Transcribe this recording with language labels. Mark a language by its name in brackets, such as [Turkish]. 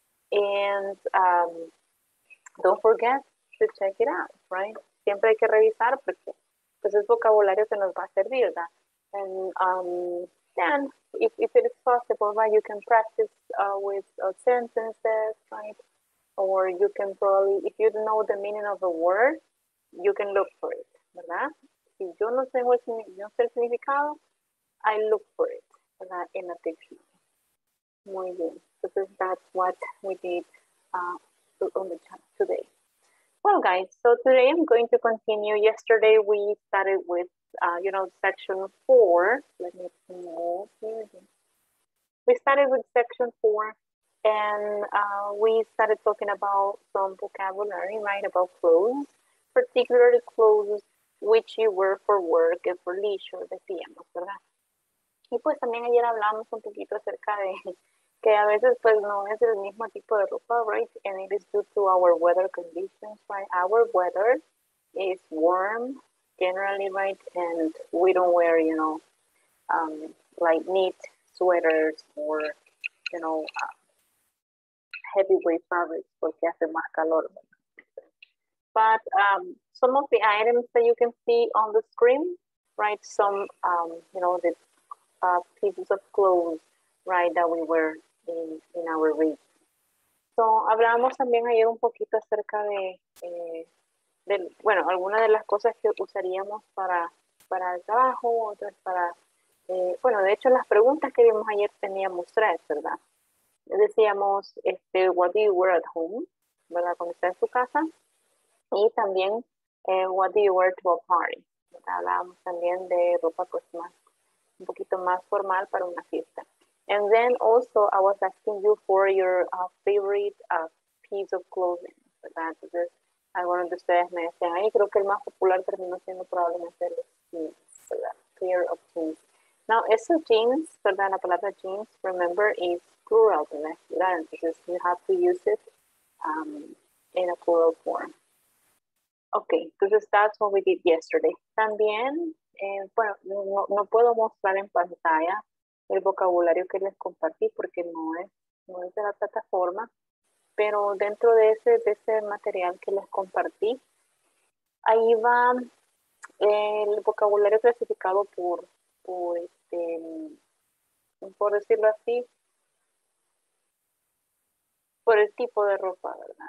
[English] And don't forget to check it out, right? [Spanish] Siempre hay que revisar porque pues es vocabulario que nos va a servir, ¿verdad? [English] And then, if it is possible, right, you can practice with sentences, right? Or you can probably, if you don't know the meaning of a word, you can look for it, [Spanish] ¿verdad? Si yo no sé el significado, [English] I look for it. In a dictionary. [Spanish] Muy bien. [English] Entonces, that's what we did on the chat today. Well, guys, so today I'm going to continue. Yesterday we started with, section 4. Let me move here. We started with section 4 and we started talking about some vocabulary, right, about clothes, particularly clothes which you wear for work and for leisure, [Spanish] decíamos, ¿verdad? Y pues también ayer hablamos un poquito acerca de que a veces pues no es el mismo tipo de ropa, [English] right? And it is due to our weather conditions, right? Our weather is warm generally, right? And we don't wear, you know, like knit sweaters or, you know, heavyweight fabrics [Spanish] porque hace más calor. [English] But some of the items that you can see on the screen, right? Some, you know, the pieces of clothes, right, that we wear in our week. [Spanish] So, hablamos también ayer un poquito acerca de, bueno, algunas de las cosas que usaríamos para el trabajo, otras para, bueno, de hecho, las preguntas que vimos ayer teníamos tres, ¿verdad? Decíamos, [English] what do you wear at home, [Spanish] ¿verdad? Cuando está en su casa. Y también, [English] what do you wear to a party, [Spanish] ¿verdad? Hablábamos también de ropa cosmética. Un poquito más formal para una fiesta. [English] And then also, I was asking you for your favorite piece of clothing. [Spanish] ¿Verdad? Entonces, algunos de ustedes me decían, ay, creo que el más popular terminó siendo probablemente el jeans, ¿verdad? [English] Pair of jeans. Now, [Spanish] eso [English] jeans, [Spanish] ¿verdad? La palabra [English] jeans, remember, is plural, ¿verdad? [Spanish] Entonces, [English] you have to use it in a plural form. Okay, entonces, that's what we did yesterday. [Spanish] También, bueno, no puedo mostrar en pantalla el vocabulario que les compartí porque no es de la plataforma, pero dentro de ese material que les compartí, ahí va el vocabulario clasificado por el tipo de ropa, ¿verdad?